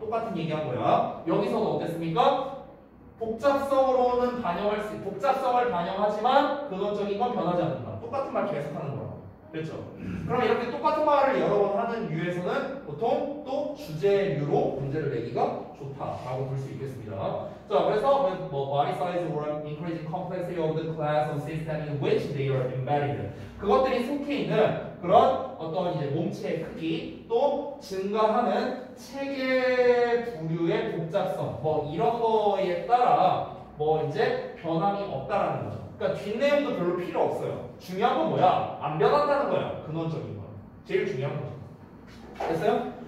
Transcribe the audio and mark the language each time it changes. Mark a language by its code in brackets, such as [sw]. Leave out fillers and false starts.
[ko] 똑같은 얘기한 거야. 여기서는 어땠습니까? 복잡성으로는 반영할 수 복잡성을 반영하지만 근원적인 건 변하지 않는다. 똑같은 말 계속하는 거야. 그렇죠. 그럼 이렇게 똑같은 말을 여러 번 하는 이유에서는 보통 또 주제류로 문제를 내기가 좋다라고 볼 수 있겠습니다. 자, 그래서 뭐 [en] body size or increasing complexity of the class of system in which they are embedded. [ko] 그것들이 속해 있는 그런 어떤 이제 몸체의 크기 또 증가하는 체계 부류의 복잡성 뭐 이런 거에 따라 뭐 이제 변함이 없다라는 거죠. 그러니까 뒷내용도 별로 필요 없어요. 중요한 건 뭐야? 안 변한다는 거야. 근원적인 거. 제일 중요한 거죠. 됐어요?